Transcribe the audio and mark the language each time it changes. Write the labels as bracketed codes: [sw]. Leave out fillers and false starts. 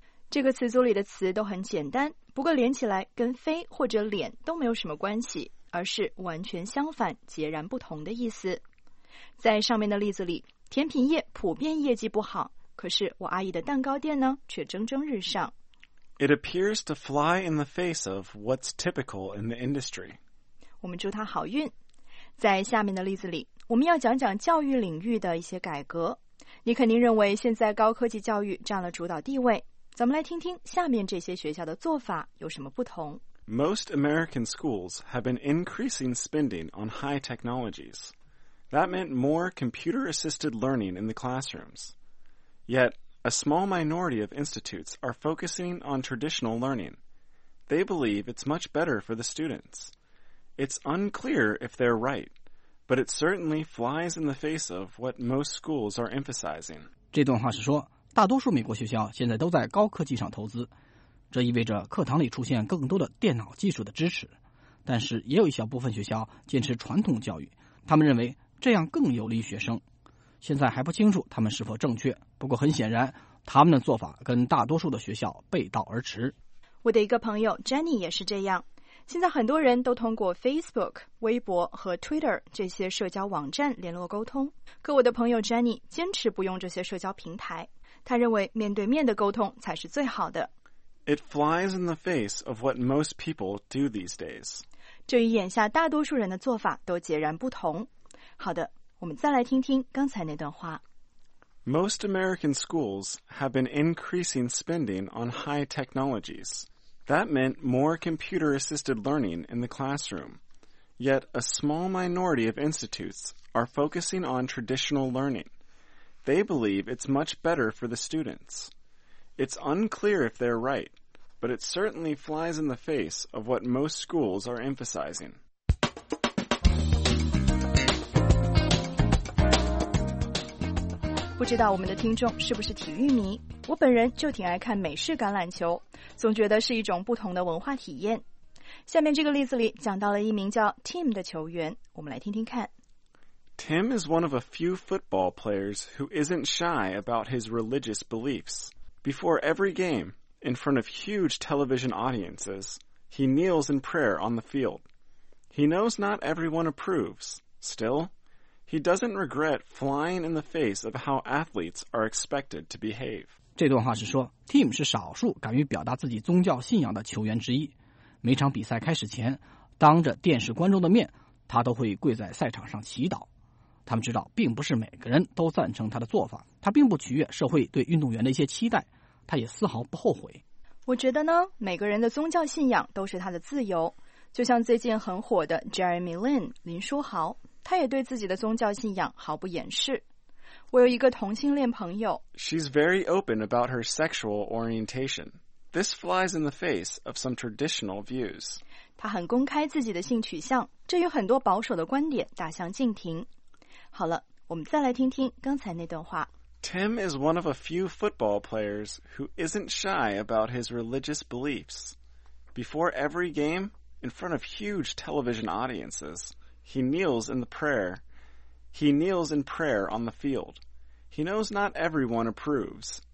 [zh] 这个词组里的词都很简单，不过连起来跟飞或者脸都没有什么关系，而是完全相反，截然不同的意思。在上面的例子里，甜品业普遍业绩不好，可是我阿姨的蛋糕店呢，却蒸蒸日上。 [en] It appears to fly in the face of what's typical in the industry. [zh] 我们祝她好运。在下面的例子里，我们要讲讲教育领域的一些改革。你肯定认为现在高科技教育占了主导地位。咱们来听听下面这些学校的做法有什么不同。 [en] Most American schools have been increasing spending on high technologies. That meant more computer-assisted learning in the classrooms. Yet, a small minority of institutes are focusing on traditional learning. They believe it's much better for the students. It's unclear if they're right, but it certainly flies in the face of what most schools are emphasizing. [zh] 这段话是说，大多数美国学校现在都在高科技上投资，这意味着课堂里出现更多的电脑技术的支持。但是也有一小部分学校坚持传统教育，他们认为这样更有利于学生。现在还不清楚他们是否正确，不过很显然，他们的做法跟大多数的学校背道而驰。我的一个朋友 Jenny 也是这样。现在很多人都通过 Facebook、微博和 Twitter 这些社交网站联络沟通，可我的朋友 Jenny 坚持不用这些社交平台。他认为面对面的沟通才是最好的。 [en] It flies in the face of what most people do these days. [zh] 这与眼下大多数人的做法都截然不同。好的。我们再来听听刚才那段话。 [en] Most American schools have been increasing spending on high technologies. That meant more computer-assisted learning in the classroom. Yet a small minority of institutes are focusing on traditional learning. They believe it's much better for the students. It's unclear if they're right, but it certainly flies in the face of what most schools are emphasizing. [zh] 不知道我们的听众是不是体育迷，我本人就挺爱看美式橄榄球，总觉得是一种不同的文化体验。下面这个例子里讲到了一名叫 Tim 的球员，我们来听听看。 [en] Tim is one of a few football players who isn't shy about his religious beliefs. Before every game, in front of huge television audiences, he kneels in prayer on the field. He knows not everyone approves. Still, he doesn't regret flying in the face of how athletes are expected to behave. [zh] 这段话是说 ,Tim 是少数敢于表达自己宗教信仰的球员之一。每场比赛开始前，当着电视观众的面，他都会跪在赛场上祈祷。他们知道并不是每个人都赞成他的做法，他并不取悦社会对运动员的一些期待，他也丝毫不后悔。我觉得呢，每个人的宗教信仰都是他的自由。就像最近很火的 Jeremy Lin 林书豪，他也对自己的宗教信仰毫不掩饰。我有一个同性恋朋友。 [en] She's very open about her sexual orientation. This flies in the face of some traditional views. [zh] 她很公开自己的性取向，这与很多保守的观点大相径庭。好了，我们再来听听刚才那段话。 [en] Tim is one of a few football players who isn't shy about his religious beliefs. Before every game, in front of huge television audiences, he kneels in prayer on the field. He knows not everyone approves.